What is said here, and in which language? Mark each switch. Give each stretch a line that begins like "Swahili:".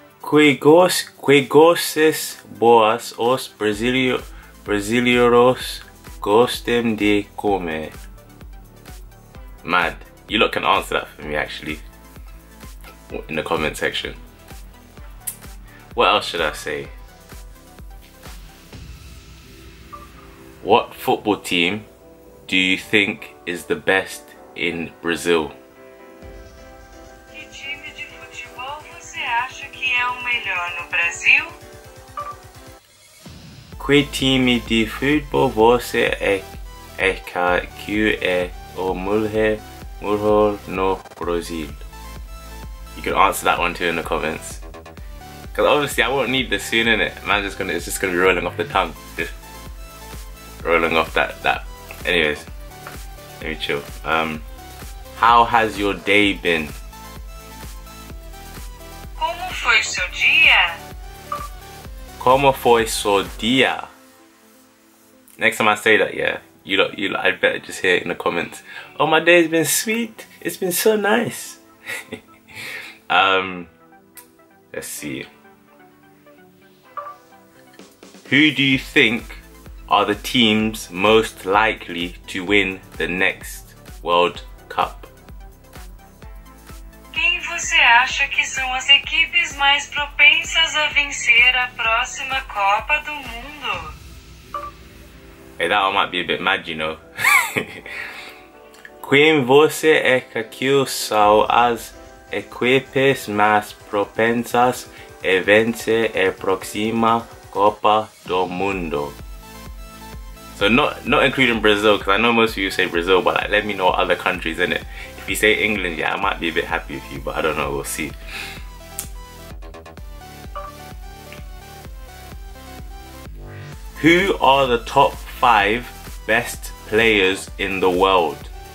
Portuguese: Que coisas boas os brasileiros gostam de comer?
English: Mad, you lot can answer that for me actually in the comment section. What else should I say? What football team do you think is the best in Brazil?
Portuguese: Que time de futebol você acha que é o melhor no Brasil? Que time de futebol você acha que é o melhor no Brasil?
English: You can answer that one too in the comments. Cause obviously I won't need this soon, innit? It's just gonna be rolling off the tongue. Just rolling off that. Anyways, let me chill. How has your day been?
Portuguese: Como foi seu dia? Como foi seu dia?
English: Next time I say that, yeah. You lot, I'd better just hear it in the comments. Oh, my day's been sweet. It's been so nice. Let's see. Who do you think are the teams most likely to win the next World Cup?
Portuguese: Quem você acha que são as equipes mais propensas a vencer a próxima Copa do Mundo?
English: Hey, that one might be a bit mad, you know.
Portuguese: Quem você acha que são as equipes mais propensas a vencer a próxima Copa do Mundo?
English: So not including Brazil, because I know most of you say Brazil, but like, let me know other countries in it. If you say England, yeah, I might be a bit happy with you, but I don't know, we'll see. Who are the top five best players in the world?